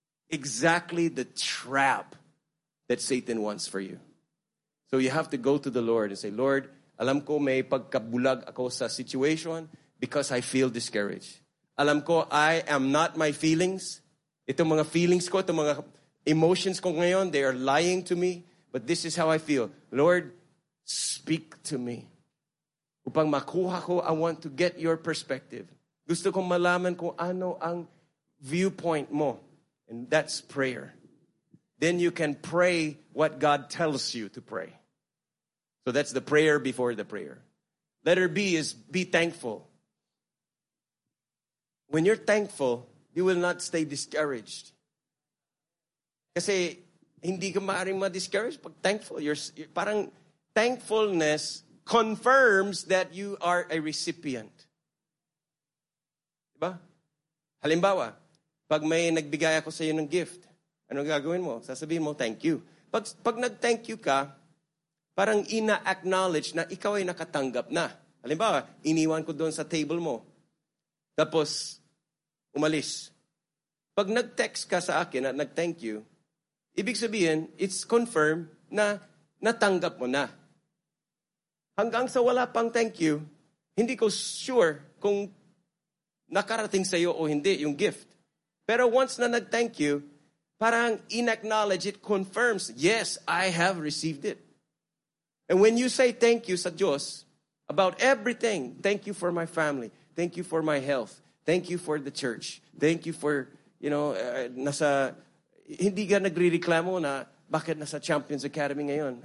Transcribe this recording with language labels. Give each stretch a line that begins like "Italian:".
English: Exactly the trap that Satan wants for you. So you have to go to the Lord and say, Lord,
Filipino: alam ko may pagkabulag ako sa
English: situation because I feel discouraged.
Filipino: Alam ko
English: I am not my feelings.
Filipino: Itong mga feelings ko, itong mga emotions ko ngayon,
English: they are lying to me. But this is how I feel. Lord, speak to me.
Filipino: Upang makuha ko,
English: I want to get your perspective.
Filipino: Gusto kong malaman kung ano ang viewpoint mo.
English: And that's prayer. Then you can pray what God tells you to pray. So that's the prayer before the prayer. Letter B is be thankful. When you're thankful, you will not stay discouraged.
Filipino: Kasi hindi ka maaaring ma-discourage pag thankful.
English: You're parang thankfulness confirms that you are a recipient.
Filipino: Diba? Halimbawa, pag may nagbigay ako sa iyo ng gift, ano gagawin mo? Sasabihin mo, thank you. Pag nag-thank you ka, parang ina-acknowledge na ikaw ay nakatanggap na. Halimbawa, iniwan ko doon sa table mo. Tapos, umalis. Pag nag-text ka sa akin at nag-thank you, ibig sabihin,
English: it's confirmed
Filipino: na natanggap mo na. Hanggang sa wala pang thank you, hindi ko sure kung nakarating sa iyo o hindi yung gift. Pero once na nag-thank you, parang in-acknowledge,
English: it confirms, yes, I have received it. And when you say thank you sa Diyos, about everything, thank you for my family, thank you for my health, thank you for the church, thank you for, you know, nasa,
Filipino: hindi ka nagre-reklamo na bakit nasa
English: Champions Academy ngayon.